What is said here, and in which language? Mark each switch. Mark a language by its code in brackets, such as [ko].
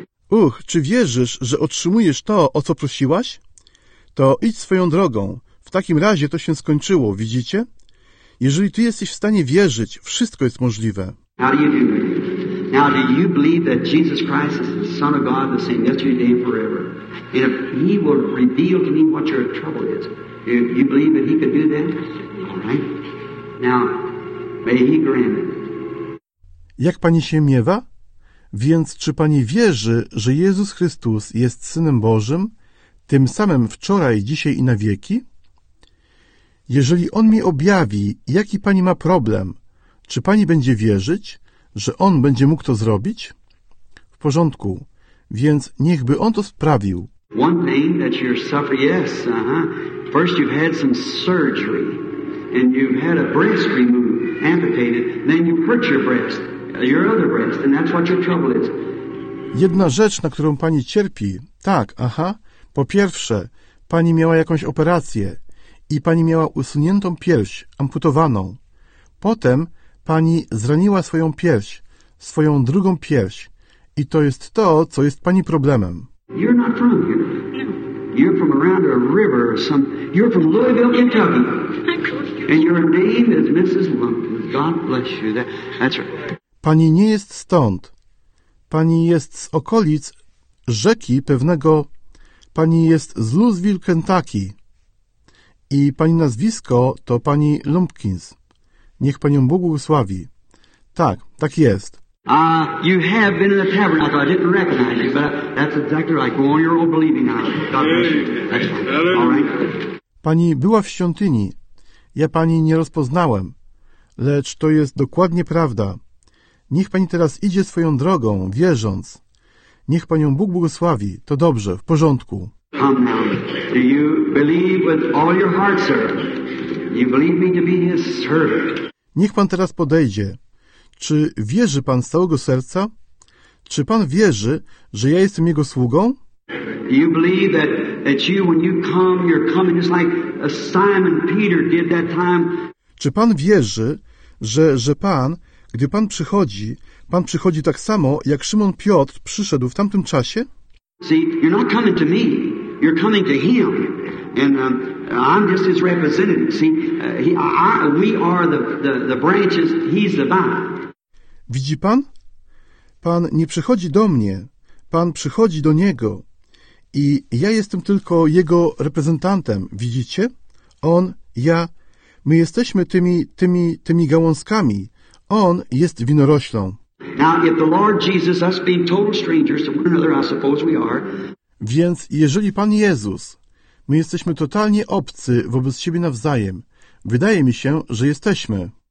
[pl] Uch, czy wierzysz, że otrzymujesz to, o co prosiłaś? To idź swoją drogą. W takim razie to się skończyło, widzicie? Jeżeli ty jesteś w stanie wierzyć, wszystko jest możliwe. [en] How do you do? Now, do you believe that Jesus Christ is the Son of God, the same yesterday and forever? And if He will reveal to me what your trouble is, do you believe that He could do that? All right. Now, may He grant it. [pl] Jak pani się miewa? Więc czy pani wierzy, że Jezus Chrystus jest Synem Bożym, tym samym wczoraj, dzisiaj i na wieki? Jeżeli On mi objawi, jaki pani ma problem, czy pani będzie wierzyć, że On będzie mógł to zrobić? W porządku, więc niechby On to sprawił. [en] One thing that you're suffering, yes, First you've had some surgery, and you've had a breast removed, amputated, then you hurt your other breast, and that's what your trouble is. [pl] Jedna rzecz, na którą pani cierpi, tak, po pierwsze, pani miała jakąś operację, i pani miała usuniętą pierś, amputowaną. Potem pani zraniła swoją pierś, swoją drugą pierś. I to jest to, co jest pani problemem. [en] You're not from here. You're from around a river or some. You're from Louisville, Kentucky. And your name is Mrs. Lumpkin. God bless you. That's right. [pl] Pani nie jest stąd. Pani jest z okolic rzeki pewnego. Pani jest z Louisville, Kentucky. I pani nazwisko to pani Lumpkins. Niech panią Bóg błogosławi. Tak, tak jest. [en] You have been in the tabernacle. I didn't recognize you, but that's exactly right. Go on your own believing now. God bless you. That's fine. All right. [pl] Pani była w świątyni. Ja pani nie rozpoznałem. Lecz to jest dokładnie prawda. Niech pani teraz idzie swoją drogą, wierząc. Niech panią Bóg błogosławi. To dobrze, w porządku. [en] Come now. Do you believe with all your heart, sir? You believe me to be his servant. [pl] Niech pan teraz podejdzie. Czy wierzy pan z całego serca? Czy pan wierzy, że ja jestem jego sługą? [en] Do you believe that you, when you come, you're coming just like Simon Peter did that time? [pl] Czy pan wierzy, że pan, gdy pan przychodzi tak samo, jak Szymon Piotr przyszedł w tamtym czasie? [en] See, you're not coming to me. You're coming to him, and I'm just his representative. See, we are the branches. He's the vine. [pl] Widzi pan? Pan nie przychodzi do mnie. Pan przychodzi do niego, i ja jestem tylko jego reprezentantem. Widzicie? On, ja, my jesteśmy tymi gałązkami. On jest winoroślą. [en] Now, if the Lord Jesus, us being total strangers to one another, I suppose we are. [pl] Więc jeżeli Pan Jezus, my jesteśmy totalnie obcy wobec siebie nawzajem, wydaje mi się, że jesteśmy.